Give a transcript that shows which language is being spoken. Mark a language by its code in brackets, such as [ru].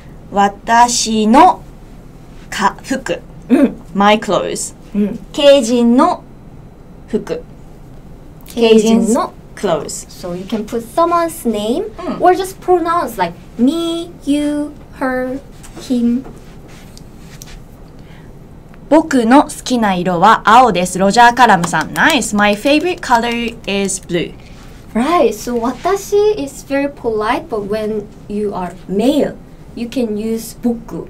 [ja] 私の服 [en] My clothes. 刑 [ja] 人の服刑人の [en] clothes. So you can put someone's name or just pronouns like me, you, her, him. [ja] 僕の好きな色は青です。 [en] ロジャー・カラムさん。Nice! My favorite color is blue. Right, so 私 is very polite, but when you are male, you can use 僕.